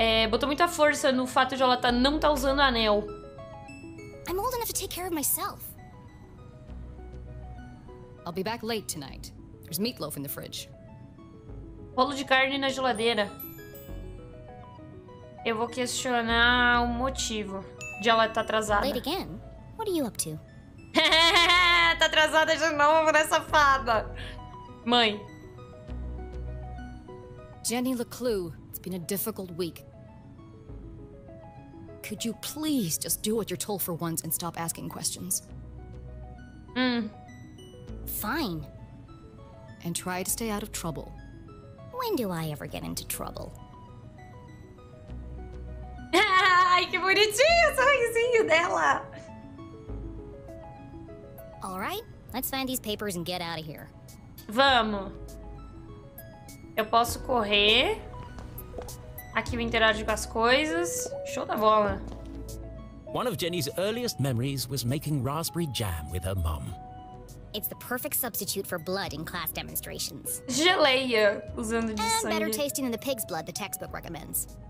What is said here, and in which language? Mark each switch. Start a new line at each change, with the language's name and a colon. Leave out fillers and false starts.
Portuguese: Botou muita força no fato de ela não estar usando o anel.
English: I'm old enough to take care of myself. I'll be back late tonight. There's meatloaf in the fridge.
Portuguese: Bolo de carne na geladeira. Eu vou questionar o motivo de ela estar atrasada.
English: Late again? What are you up to?
Portuguese: Tá atrasada de novo nessa fada. Mãe.
English: Jenny LeClue, it's been a difficult week. Could you please just do what you're told for once and stop asking questions? Fine. And try to stay out of trouble. When do I ever get into trouble?
Portuguese: Ai, que bonitinho o sorrisinho dela.
English: All right, let's find these papers and get out of here.
Portuguese: Vamos. Eu posso correr. Aqui eu interajo com as coisas. Show da bola.
English: One of Jenny's earliest memories was making raspberry jam with her mom. It's the perfect substitute for blood in class demonstrations.
Portuguese: Geleia usando de sangue.
English: And better tasting than the pig's blood the textbook recommends.